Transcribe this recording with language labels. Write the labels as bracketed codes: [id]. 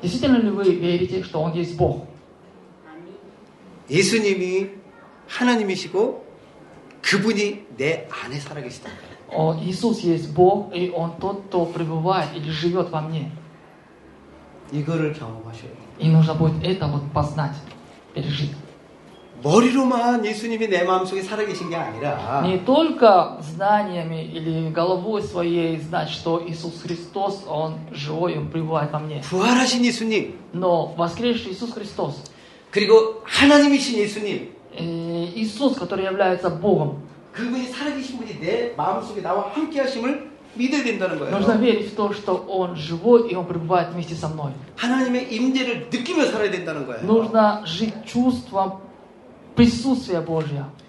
[ru] Действительно ли вы верите, что он есть Бог? [ko] 예수님이 하나님이시고 그분이 내 안에 살아계시다. [ru] 예수 есть Бог, и он тот, кто пребывает или живет во мне. [ko] 이거를 경험하셔야 돼. [ru] И нужно будет это вот познать, пережить. [ko] 머리로만 예수님이 내 마음속에 살아계신 게 아니라 [ru] не только знаниями или головой своей знать, что Иисус Христос, он живой, он пребывает во мне. [ko] 부활하신 예수님. [ru] Но воскресший Иисус Христос. [ko] 그리고 하나님이신 예수님. [ru] Иисус, который является Богом. [ko] 그분이 살아계신 분이 내 마음속에 나와 함께하심을 믿어야 된다는 거예요. [ru] Нужно верить в то, что он живой и он пребывает вместе со мной. [ko] 하나님의 임재를 느끼며 살아야 된다는 거예요. [ru] Нужно жить чувством присутствия Божия.